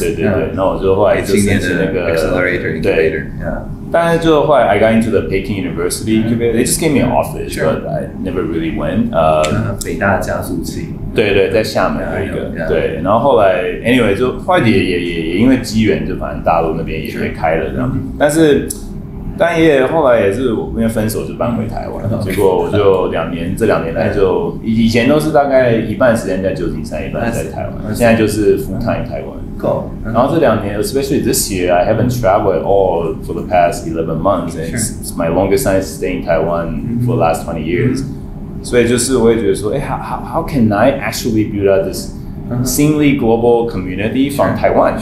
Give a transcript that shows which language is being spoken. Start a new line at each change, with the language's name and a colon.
Chinese: 对对对，那我就后来就申请那个
English: accelerator incubator。
Chinese: 但是就后来
English: I got into the Peking University incubator. They just gave me an office, but I never really went.
Chinese: 北大加速器。对对，在厦门有一个。对，然后后来 anyway 就后来也因为机缘，就反正大陆那边也被开了这样。但也后来也是我因为分手就搬回台湾，结果我就两年这两年来就以前都是大概一半时间在旧金山，一半在台湾，现在就是
English: full time
Chinese: 台湾。然后这两年
English: especially this year I haven't traveled at all for the past 11 months and it's my longest time staying in Taiwan for the last 20 years、mm-hmm.
Chinese: 所以就是我也觉得说、
English: 欸、how can I actually build out this seemingly global community from Taiwan、